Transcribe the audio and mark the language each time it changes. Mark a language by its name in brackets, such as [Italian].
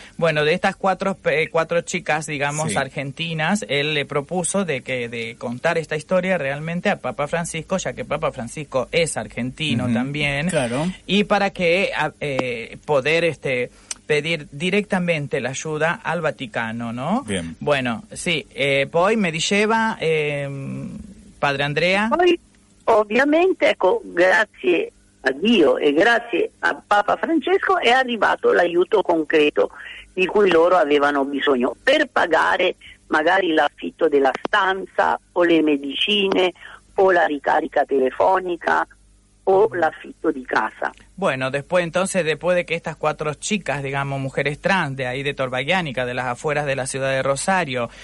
[Spanish] Bueno, de estas cuatro chicas, digamos, argentinas, él le propuso de contar esta historia realmente a Papa Francisco, ya que Papa Francisco es argentino también. Claro. Y para que poder pedir directamente la ayuda al Vaticano, ¿no? Bien. Bueno, sí, [Italian] poi me diceva [Spanish] padre Andrea. [Italian] Poi, ovviamente, ecco, grazie a Dio e grazie a Papa Francesco è arrivato l'aiuto concreto di cui loro avevano bisogno per pagare magari l'affitto della stanza o le medicine o la ricarica telefonica o l'affitto di casa. [Spanish] Bueno, después entonces, después de que estas cuatro chicas, digamos, mujeres trans de ahí de Torbayánica, de las afueras de la ciudad de Rosario,